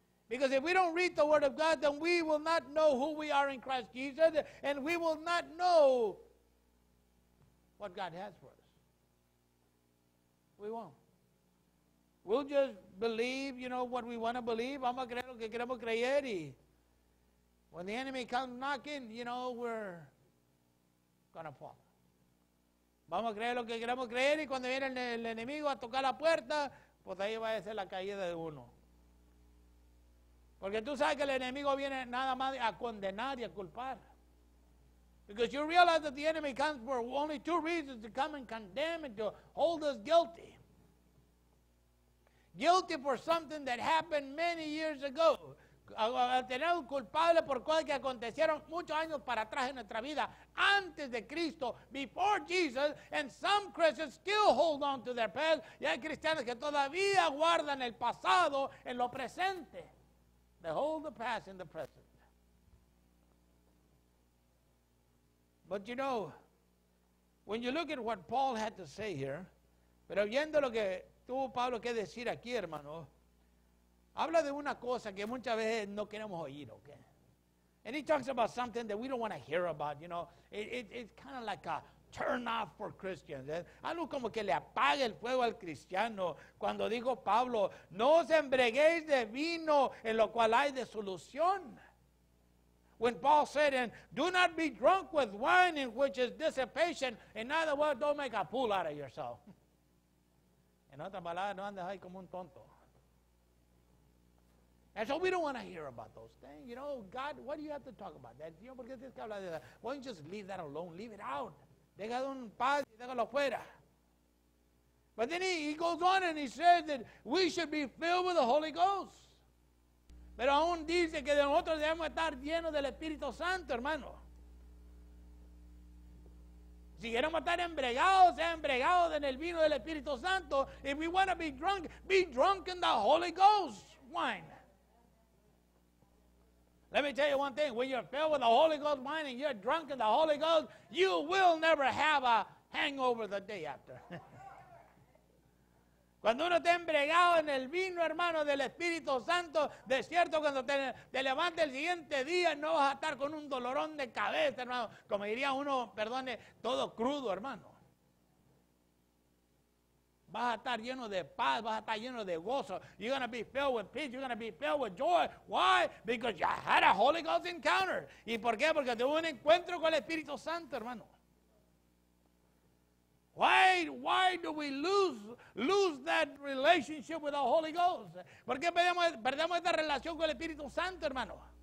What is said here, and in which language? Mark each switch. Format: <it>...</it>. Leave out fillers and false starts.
<en>Because if we don't read the Word of God, then we will not know who we are in Christ Jesus, and we will not know what God has for us. We won't. We'll just believe, you know, what we want to believe.</en> <es>Vamos a creer lo que queremos creer.</es> <en>When the enemy comes knocking, you know, we're going to fall.</en> <es>Vamos a creer lo que queremos creer. Y cuando viene el enemigo a tocar la puerta, pues ahí va a ser la caída de uno. Porque tú sabes que el enemigo viene nada más a condenar y a culpar.</es> <en>Because you realize that the enemy comes for only two reasons: to come and condemn and to hold us guilty. Guilty for something that happened many years ago.</en> <es>A tener un culpable por cosas que acontecieron muchos años para atrás en nuestra vida, antes de Cristo,</es> <en>before Jesus, and some Christians still hold on to their past.</en> <es>Y hay cristianos que todavía guardan el pasado en lo presente.</es> <en>They hold the past in the present. But you know, when you look at what Paul had to say here,</en> <es>pero viendo lo que tuvo Pablo que decir aquí, hermano, habla de una cosa que muchas veces no queremos oír, okay?</es> <en>And he talks about something that we don't want to hear about, you know. It's kind of like a turn off for Christians.</en> <es>Algo como que le apaga el fuego al cristiano. Cuando dijo Pablo, no os embreguéis de vino en lo cual hay desolución.</es> <en>When Paul said, and do not be drunk with wine in which is dissipation. In other words, don't make a fool out of yourself.</en> <es>En otras palabras, no andes ahí como un tonto.</es> <en>And so we don't want to hear about those things. You know, God, what do you have to talk about that? You know,</en> <es>porque tienes que hablar de</es> <en>that. Why don't you just leave that alone? Leave it out.</en> <es>Déjalo en paz y déjalo fuera.</es> <en>But then he goes on and he says that we should be filled with the Holy Ghost.</en> <es>Pero aún dice que nosotros debemos estar llenos del Espíritu Santo, hermano. Si queremos estar embregados, sea embregados en el vino del Espíritu Santo.</es> <en>If we want to be drunk in the Holy Ghost wine. Let me tell you one thing. When you're filled with the Holy Ghost wine and you're drunk in the Holy Ghost, you will never have a hangover the day after.</en> <es>Cuando uno está embriagado en el vino, hermano, del Espíritu Santo, de cierto, cuando te levantes el siguiente día, no vas a estar con un dolorón de cabeza, hermano. Como diría uno, perdone, todo crudo, hermano. Vas a estar lleno de paz, vas a estar lleno de gozo.</es> <en>You're going to be filled with peace, you're going to be filled with joy. Why? Because you had a Holy Ghost encounter.</en> <es>¿Y por qué? Porque tuvo un encuentro con el Espíritu Santo, hermano.</es> <en>Why do we lose that relationship with the Holy Ghost?</en> <es>¿Por qué perdemos esta relación con el Espíritu Santo, hermano?</es>